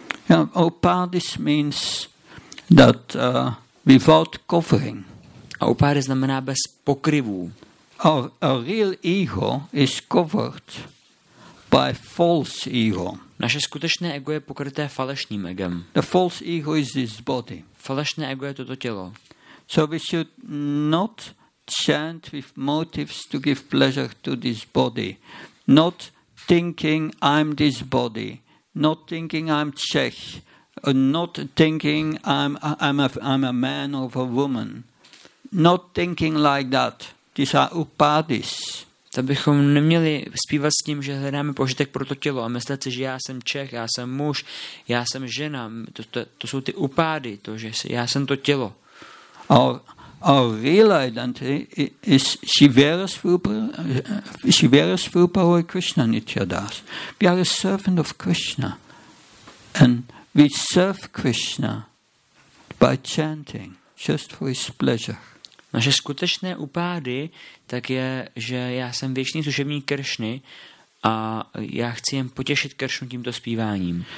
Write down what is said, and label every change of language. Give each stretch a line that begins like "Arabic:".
English: Yeah, upadis means that without covering.
Czech: A upadis znamená bez pokryvů.
English: A real ego is covered by false ego.
Czech: Naše skutečné ego je pokryté falešným egem.
English: The false ego is this body.
Czech: Falešné ego je toto tělo.
English: So we should not chant with motives to give pleasure to this body. Not thinking I'm this body. Not thinking I'm Czech. Not thinking I'm a man or a woman. not thinking like that. These are upadis.
Czech: To bychom neměli zpívat s tím, že hledáme požitek pro to tělo a myslet si, že já jsem Čech, já jsem muž, já jsem žena. To jsou ty upády, to, že já jsem to tělo.
English: Our real identity is Shivera Svrupa or Krishna Nityadas. We are a servant of Krishna. And we serve Krishna by chanting just for his pleasure.
Czech: Naše skutečné upády tak je, že já jsem věčný služebník Kršny a já chci jen potěšit Kršnu tímto zpíváním.